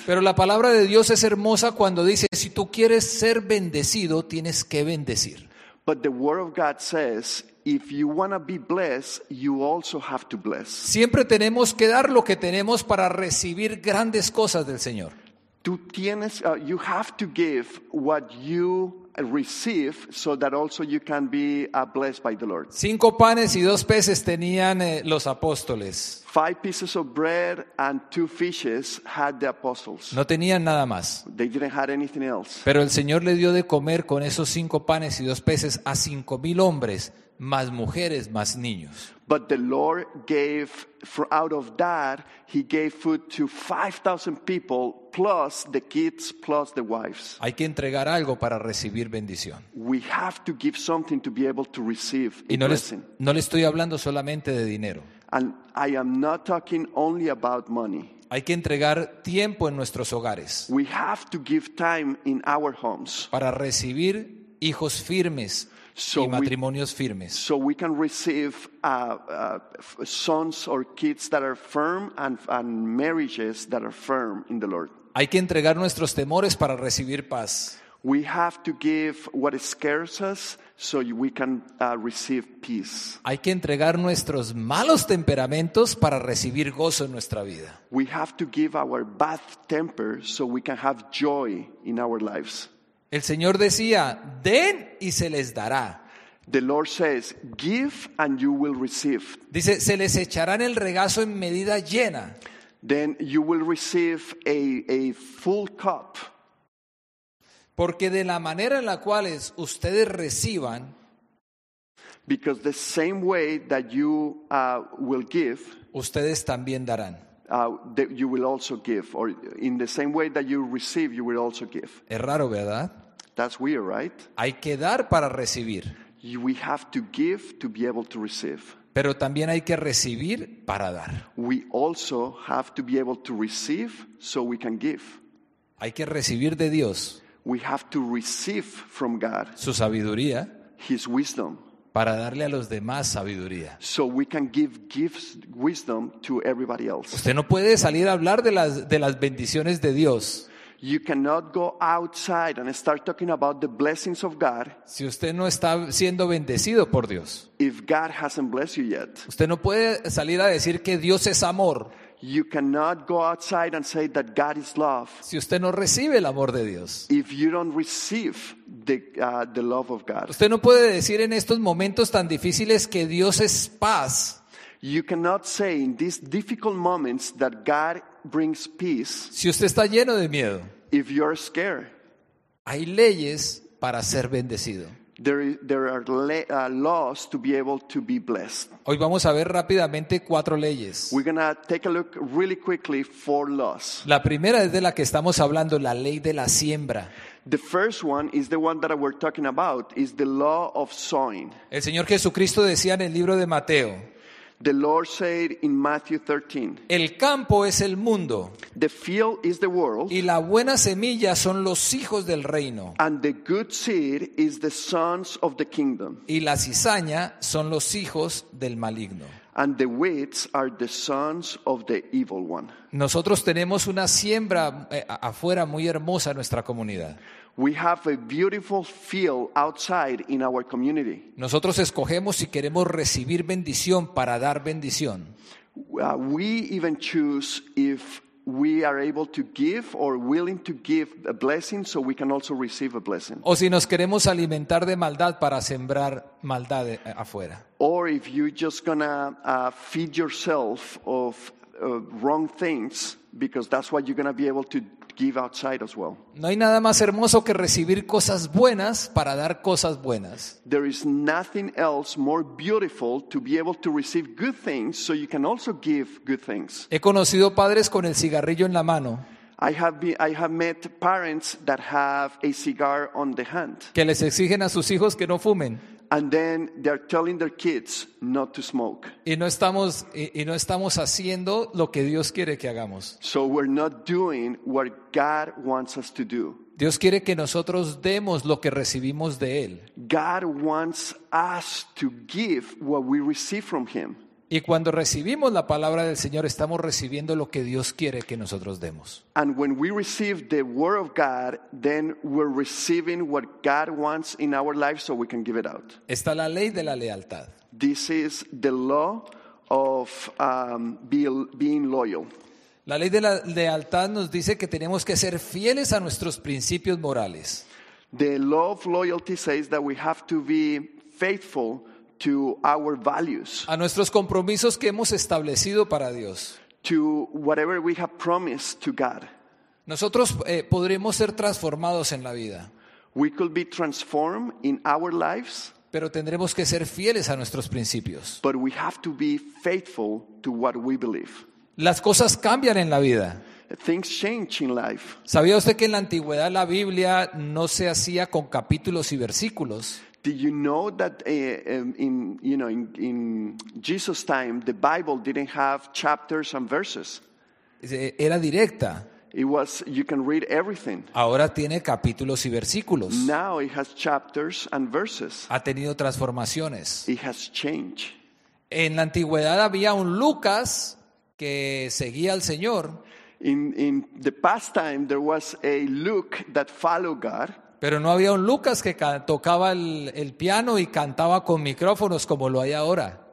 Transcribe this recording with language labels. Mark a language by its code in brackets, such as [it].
[es] Pero la palabra de Dios es hermosa cuando dice, si tú quieres ser bendecido, tienes que bendecir. [en] But the word of God says, if you want to be blessed, you also have to bless. [es] Siempre tenemos que dar lo que tenemos para recibir grandes cosas del Señor. [en] You have to give what you receive so that also you can be blessed by the Lord. [es] 5 panes y 2 peces tenían los apóstoles. [en] 5 pieces of bread and 2 fishes had the apostles. [es] No tenían nada más. [en] They didn't have anything else. [es] Pero el Señor le dio de comer con esos 5 panes y 2 peces a 5,000 hombres, más mujeres, más niños. [en] But the Lord gave, out of that, he gave food to 5,000 people, plus the kids, plus the wives. [es] Hay que entregar algo para recibir bendición. [en] We have to give something to be able to receive a blessing. [es] No le estoy hablando solamente de dinero. [en] And I am not talking only about money. [es] Hay que entregar tiempo en nuestros hogares. [en] We have to give time in our homes. [es] Para recibir hijos firmes. [en] So [es] y matrimonios firmes. [en] So we can receive sons or kids that are firm and marriages that are firm in the Lord. [es] Hay que entregar nuestros temores para recibir paz. [en] We have to give what scares us so we can receive peace. [es] Hay que entregar nuestros malos temperamentos para recibir gozo en nuestra vida. [en] We have to give our bad temper so we can have joy in our lives. [es] El Señor decía, den y se les dará. [en] The Lord says, give and you will receive. [es] Dice, se les echarán el regazo en medida llena. [en] Then you will receive a full cup. [es] Porque de la manera en la cual ustedes reciban, [en] because the same way that you will give, [es] ustedes también darán. [en] You will also give, or in the same way that you receive, you will also give. [es] Es raro, ¿verdad? [en] That's weird, right? [es] Hay que dar para recibir. [en] We have to give to be able to receive. [es] Pero también hay que recibir para dar. [en] We also have to be able to receive so we can give. [es] Hay que recibir de Dios. [en] We have to receive from God. [es] Su sabiduría. [en] His wisdom. [es] Para darle a los demás sabiduría. [en] So we can give gifts, wisdom to everybody else. [es] Usted no puede salir a hablar de las bendiciones de Dios. [en] You cannot go outside and start talking about the blessings of God. [es] Si usted no está siendo bendecido por Dios. [en] If God hasn't blessed you yet. [es] Usted no puede salir a decir que Dios es amor. [en] You cannot go outside and say that God is love. [es] Si usted no recibe el amor de Dios. [en] If you don't receive the love of God. [es] Usted no puede decir en estos momentos tan difíciles que Dios es paz. [en] You cannot say in these difficult moments that God brings peace. [es] Si usted está lleno de miedo. [en] If you're scared. [es] Hay leyes para ser bendecido. [en] There are laws to be able to be blessed. [es] Hoy vamos a ver rápidamente cuatro leyes. [en] We're going to take a look really quickly four laws. [es] La primera es de la que estamos hablando, la ley de la siembra. [en] The first one is the one that we're talking about, is the law of sowing. [es] El Señor Jesucristo decía en el libro de Mateo. [en] The Lord said in Matthew 13. [es] El campo es el mundo. [en] The field is the world. [es] Y la buena semilla son los hijos del reino. [en] And the good seed is the sons of the kingdom. [es] Y la cizaña son los hijos del maligno. [en] And the weeds are the sons of the evil one. [es] Nosotros tenemos una siembra afuera muy hermosa en nuestra comunidad. [en] We have a beautiful field outside in our community. [es] Nosotros escogemos si queremos recibir bendición para dar bendición. [en] We even choose if we are able to give or willing to give a blessing so we can also receive a blessing. [es] O si nos queremos alimentar de maldad para sembrar maldad afuera. [en] Or if you're just gonna feed yourself of wrong things because that's what you're gonna be able to give outside as well. [es] No hay nada más hermoso que recibir cosas buenas para dar cosas buenas. [en] There is nothing else more beautiful to be able to receive good things so you can also give good things. [es] He conocido padres con el cigarrillo en la mano. [en] I have met parents that have a cigar on the hand. [es] Que les exigen a sus hijos que no fumen. [en] And then they're telling their kids not to smoke. [es] Y no estamos haciendo lo que Dios quiere que hagamos. [en] So we're not doing what God wants us to do. [es] Dios quiere que nosotros demos lo que recibimos de él. [en] God wants us to give what we receive from him. [es] Y cuando recibimos la palabra del Señor, estamos recibiendo lo que Dios quiere que nosotros demos. [en] And when we receive the word of God, then we're receiving what God wants in our life so we can give it out. [es] Esta es la ley de la lealtad. [en] This is the law of being loyal. [es] La ley de la lealtad nos dice que tenemos que ser fieles a nuestros principios morales. [en] The law of loyalty says that we have to be faithful to our values, [es] a nuestros compromisos que hemos establecido para Dios, [en] to whatever we have promised to God. [es] Nosotros podremos ser transformados en la vida. [en] We could be transformed in our lives, [es] pero tendremos que ser fieles a nuestros principios. [en] But we have to be faithful to what we believe. [es] Las cosas cambian en la vida. [en] Things change in life. [es] ¿Sabía usted que en la antigüedad la Biblia no se hacía con capítulos y versículos? [en] Did you know that in Jesus' time the Bible didn't have chapters and verses? [es] Era directa. [en] It was you can read everything. [es] Ahora tiene capítulos y versículos. [en] Now it has chapters and verses. [es] Ha tenido transformaciones. [en] It has changed. [es] En la antigüedad había un Lucas que seguía al Señor. [en] In the past time there was a Luke that followed God. [es] Pero no había un Lucas que tocaba el piano y cantaba con micrófonos como lo hay ahora.